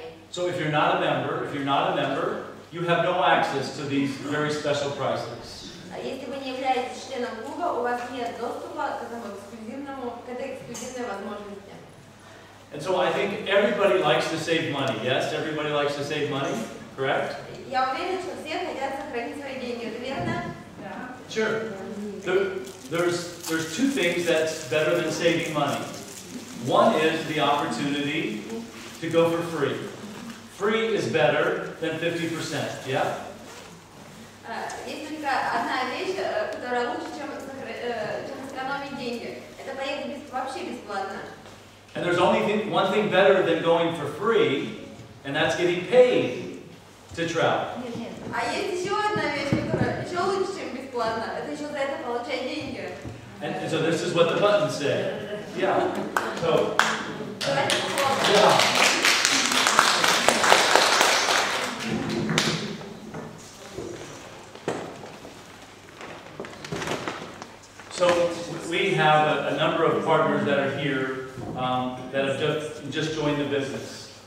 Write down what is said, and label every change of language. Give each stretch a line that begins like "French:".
English: So if you're not a member, you have no access to these very special prices. And so I think everybody likes to save money. Yes, everybody likes to save money, correct?
Russian: Я уверен, что все хотят сохранить свои деньги, верно? Да. Sure.
English: There's two things that's better than saving money. One is the opportunity to go for free. Free is better than 50%. Yeah?
Russian: Есть только одна вещь, которая лучше, чем сэкономить деньги. Это поехать вообще бесплатно.
English: And there's only one thing better than going for free, and that's getting paid. To travel.
Russian: А есть еще одна вещь, которая еще лучше, чем бесплатно. Это еще за это получать деньги.
English: And so this is what the button said. Yeah. So. Yeah. So we have a number of partners that are here that have just joined the business.